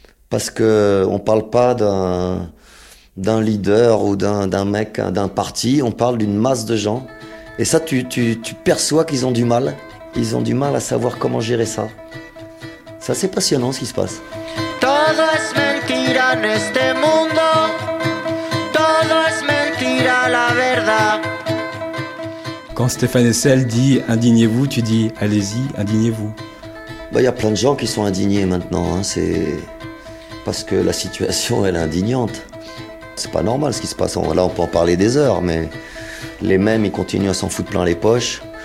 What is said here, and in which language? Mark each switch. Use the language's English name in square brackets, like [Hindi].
[French] Parce que on parle pas d'un leader ou d'un mec, d'un parti, on parle d'une masse de gens. Et ça, tu perçois qu'ils ont du mal. Ils ont du mal à savoir comment gérer ça. Ça, c'est passionnant ce qui se passe. [Spanish] Todo es mentira en este mundo. Todo es mentira la verdad. [French] Quand Stéphane Hessel dit indignez-vous, tu dis allez-y, indignez-vous. Bah, y a plein de gens qui sont indignés maintenant. Hein. C'est parce que la situation, elle est indignante. C'est pas normal ce qui se passe. Là, on peut en parler des heures, mais les mêmes, ils continuent à s'en foutre plein les poches.